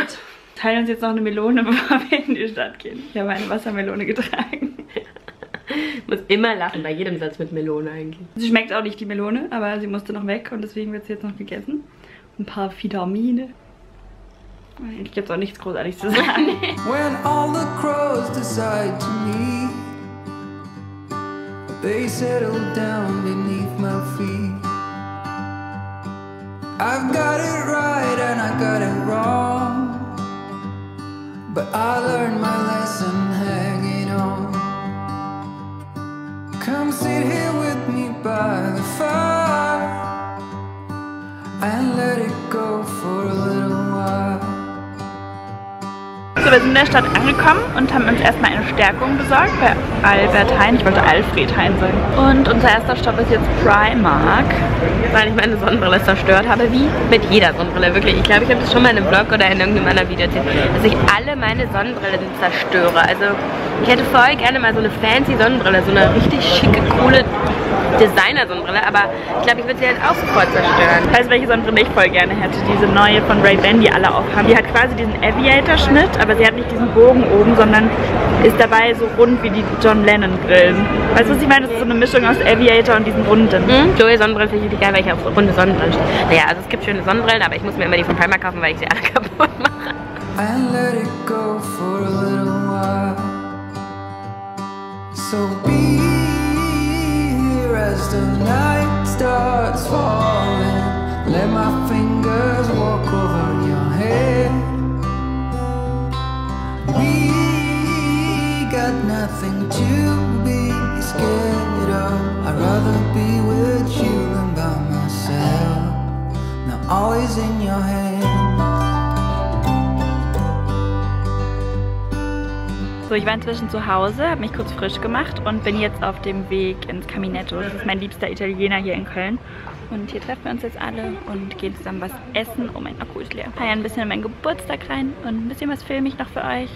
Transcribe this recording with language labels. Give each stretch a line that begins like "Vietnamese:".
German: Ach, teilen uns jetzt noch eine Melone, bevor wir in die Stadt gehen. Ich habe eine Wassermelone getragen. Muss immer lachen, bei jedem Satz mit Melone eigentlich. Sie schmeckt auch nicht, die Melone, aber sie musste noch weg und deswegen wird sie jetzt noch gegessen. Ein paar Vitamine. Eigentlich gibt es auch nichts Großartiges zu sagen.
English: When all the crows decide to meet, they settle down beneath my feet. I've got it right and I got it wrong, but I learned my lesson hanging on. Come sit here with me by the fire and let it go for a little while.
German: So, wir sind in der Stadt angekommen und haben uns erstmal eine Stärkung besorgt bei Albert Heijn. Ich wollte Alfred Heijn sagen. Und unser erster Stopp ist jetzt Primark, weil ich meine Sonnenbrille zerstört habe, wie mit jeder Sonnenbrille, wirklich. Ich glaube, ich habe das schon mal in einem Vlog oder in irgendeinem anderen Video erzählt, dass ich alle meine Sonnenbrillen zerstöre. Also, ich hätte voll gerne mal so eine fancy Sonnenbrille, so eine richtig schicke, coole Designer-Sonnenbrille, aber ich glaube, ich würde sie halt auch sofort zerstören. Ich weiß, welche Sonnenbrille ich voll gerne hätte, diese neue von Ray-Ban, die alle auch haben. Die hat quasi diesen Aviator-Schnitt, aber sie hat nicht diesen Bogen oben, sondern ist dabei so rund wie die John Lennon-Brillen. Weißt du, was ich meine? Das ist so eine Mischung aus Aviator und diesen runden. Joey Sonnenbrille finde ich richtig geil, weil ich auf runde Sonnenbrillen stehe. Naja, also es gibt schöne Sonnenbrillen, aber ich muss mir immer die von Primark kaufen, weil ich sie alle kaputt mache.
English: And let it go for a little while. So be here as the night starts falling. Let my fingers walk over your head. We got nothing to be scared of. I'd rather be with you than by myself. Now always in your hands.
German: So, ich war inzwischen zu Hause, habe mich kurz frisch gemacht und bin jetzt auf dem Weg ins Caminetto. Das ist mein liebster Italiener hier in Köln. Und hier treffen wir uns jetzt alle und gehen zusammen was essen. Oh, mein Akku ist leer. Feiern ein bisschen in meinen Geburtstag rein und ein bisschen was filme ich noch für euch.